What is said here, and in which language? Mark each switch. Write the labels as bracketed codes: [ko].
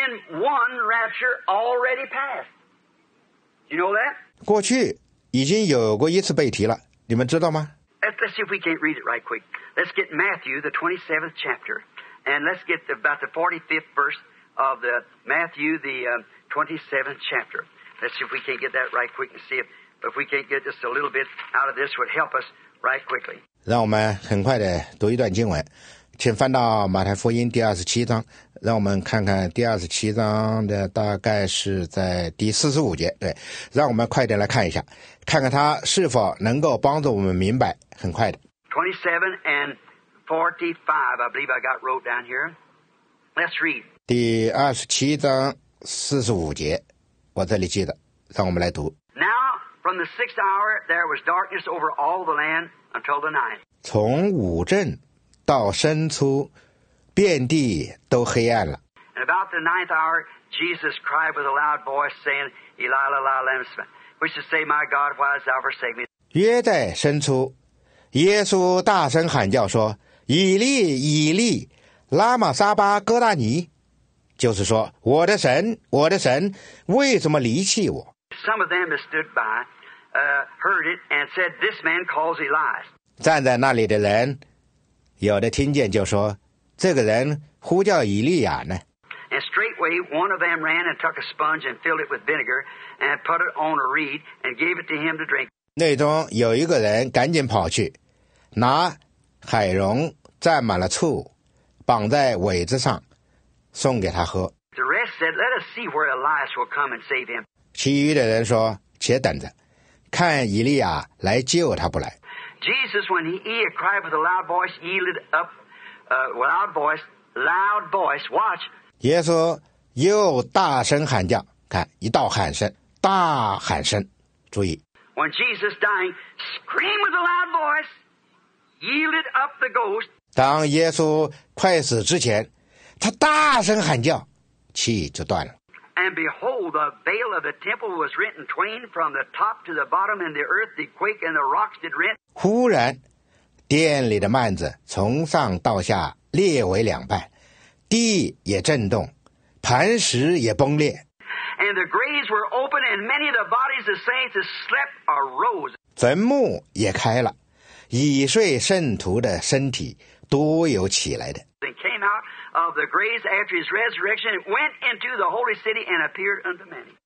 [en] One rapture already passed. You know that? [zh] 过去已经有过一次被提了，你们知道吗？ [en] Let's see if we can't read it right quick. Let's get Matthew, the 27th chapter, and let's get about the 45th verse of the Matthew, the 27th chapter. Let's see if we can't get that right quick and see if we can't get just a little bit out of this would help us right quickly. [zh] 让我们很快的读一段经文。请翻到马太福音第二十七章，让我们看看第二十七章的大概是在第45节。对，让我们快点来看一下，看看它是否能够帮助我们明白。很快的。 [en] 27 and 45, I believe I got wrote down here. Let's read. [zh] 第二十七章45节，我这里记得，让我们来读。 [en] Now, from the sixth hour, there was darkness over all the land until the ninth. [zh] 从午正到深处遍地都黑暗了。 [en] And about the ninth hour, Jesus cried with a loud voice, saying, Eli, Eli, lama sabachthani, which is to say, my God, why hast thou forsaken me? [zh] 约在深处，耶稣大声喊叫说，以利，以利，拉玛撒巴哥大尼，就是说，我的神，我的神，为什么离弃我？ [en] Some of them that stood by, heard it and said, this man calls Elias. [zh] 站在那里的人有的听见就说，这个人呼叫以利亚呢。 [en] And straightway one of them ran and took a sponge and filled it with vinegar and put it on a reed and gave it to him to drink. [zh] 内中有一个人赶紧跑去，拿海蓉蘸满了醋，绑在苇子上，送给他喝。 [en] The rest said, let us see where Elias will come and save him. [zh] 其余的人说，且等着，看以利亚来救他不来。 [en] Jesus, when he had cried with a loud voice, yielded up, loud voice, watch. [zh] 耶稣又大声喊叫，看，一道喊声，大喊声，注意。 [en] When Jesus dying, screamed with a loud voice, yielded up the ghost. [zh] 当耶稣快死之前，他大声喊叫，气就断了。 [en] And behold, the veil of the temple was rent in twain from the top to the bottom, and the earth did quake, and the rocks did rent. [zh] 忽然，殿里的幔子从上到下裂为两半，地也震动，磐石也崩裂。 [en] And the graves were open, and many of the bodies of saints that slept arose. [zh] 坟墓也开了，已睡圣徒的身体多有起来的。 [en] They came out. Of the graves after his resurrection, went into the holy city and appeared unto many.